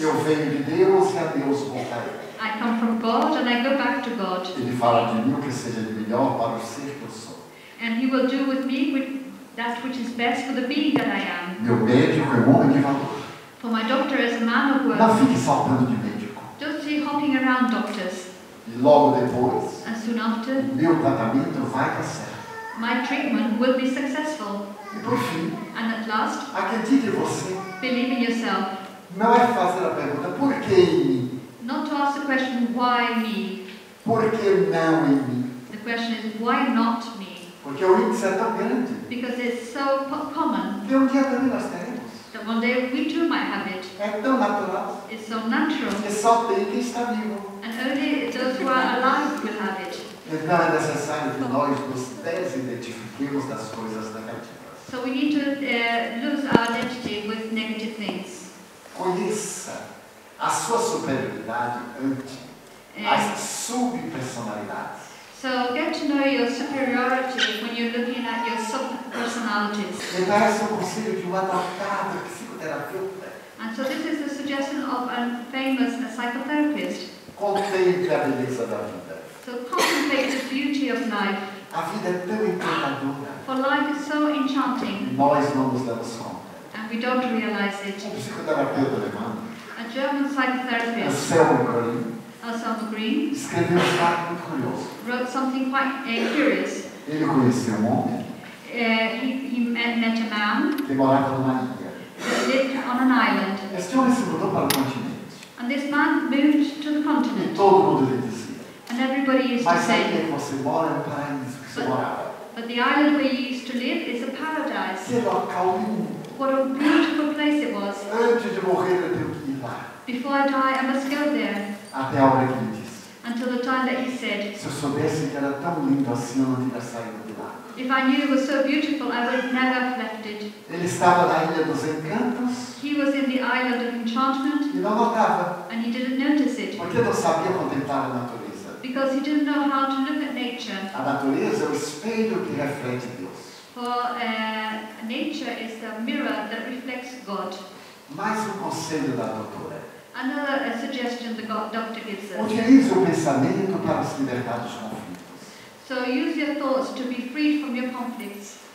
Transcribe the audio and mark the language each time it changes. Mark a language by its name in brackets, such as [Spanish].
[Portuguese] Eu venho de Deus e a Deus voltarei. [English] I come from God and I go back to God. [Portuguese] Ele fala de mim o que seja de melhor para o ser que eu sou. [English] And he will do with me with that which is best for the being that I am. [Portuguese] Meu médico é um homem de valor. [English] For my doctor is a man of worth. [Portuguese] Não fique saltando de médico. [English] Don't be hopping around doctors. [Portuguese] E logo depois, [English] and soon after, [Portuguese] meu tratamento vai dar certo. [English] My treatment will be successful. [Portuguese] E por fim, [English] and at last, [Portuguese] acredite em você. [English] Believe in yourself. [Portuguese] Não é fazer a pergunta, por que em mim? [English] Not to ask the question, why me? [Portuguese] Por que não em mim? [English] The question is, why not me? [Portuguese] Porque o índice é tão grande. [English] Because it's so common. [Portuguese] Que um dia também nós teremos. [English] That one day we too might have it. [Portuguese] É tão natural. [English] It's so natural. [Portuguese] É só ter quem está vivo. [English] And only those who are alive will have it. [Portuguese] Então é necessário que nós nos desidentifiquemos das coisas negativas. [English] So we need to lose our identity with negative things. [Portuguese] Conheça a sua superioridade ante as subpersonalidades. [English] So get to know your superiority when you're looking at your subpersonalities. [Portuguese] E dá esse conselho de um adaptado psicoterapeuta. [English] And so this is the suggestion of a famous psychotherapist. [Portuguese] Contemple a beleza da vida. [English] So contemplate the beauty of life. [Portuguese] A vida é tão encantadora. [English] For life is so enchanting. [Portuguese] Nós não nos damos conta. [English] And we don't realize it. [Portuguese] Um psicoterapeuta alemão. [English] A German psychotherapist. [Portuguese] Anselm Green. Escreveu um fato muito curioso. [English] Wrote something quite curious. [Portuguese] Ele conheceu um homem. [English] He met a man. [Portuguese] Que morava numa ilha. [English] He lived on an island. [Portuguese] Este homem se mudou para o continente. [English] And this man moved to the continent. [Portuguese] E todo mundo lhe disse. [English] And everybody used to say, but the island where you used to live is a paradise. [Portuguese] Que local lindo. [English] What a beautiful place it was. [Portuguese] Antes de morrer, eu tenho que ir lá. [English] Before I die, I must go there. [Portuguese] Até a hora que ele disse. [English] Until the time that he said, [Portuguese] se eu soubesse que era tão lindo assim, eu não teria saído de lá. [English] If I knew it was so beautiful, I would never have left it. [Portuguese] Ele estava na Ilha dos Encantos. [English] He was in the island of enchantment. [Portuguese] E não notava. [English] And he didn't notice it. [Portuguese] Porque não sabia contemplar a natureza. [English] Because he didn't know how to look at nature. [Portuguese] A natureza é o espelho que reflete Deus. [English] For nature is the mirror that reflects God. [Portuguese] Mais conselho da doutora. [English] Another suggestion the doctor gives us. [Portuguese] Utilize o pensamento para se libertar dos conflitos. [English] So use your thoughts to be freed from your conflicts.